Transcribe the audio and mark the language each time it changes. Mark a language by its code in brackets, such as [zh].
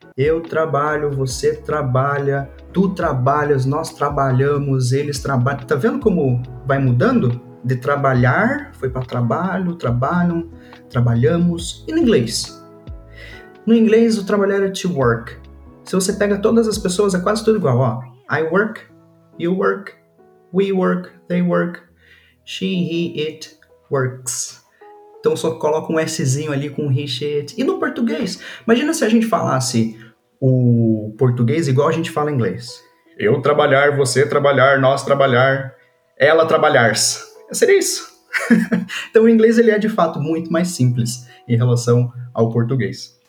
[pt] Eu trabalho, você trabalha, tu trabalhas, nós trabalhamos, eles trabalham. Tá vendo como vai mudando? De trabalhar, foi para trabalho, trabalham, trabalhamos. E no inglês? No inglês, o trabalhar é to work. Se você pega todas as pessoas, é quase tudo igual. Ó. [en] I work, you work, we work, they work, she, he, it works. [pt] Então só coloca um Szinho ali com he, she, it. E no português? Imagina se a gente falasse o português igual a gente fala inglês. Eu trabalhar, você trabalhar, nós trabalhar, ela trabalhar-s. Seria isso. Então o inglês ele é de fato muito mais simples em relação ao português.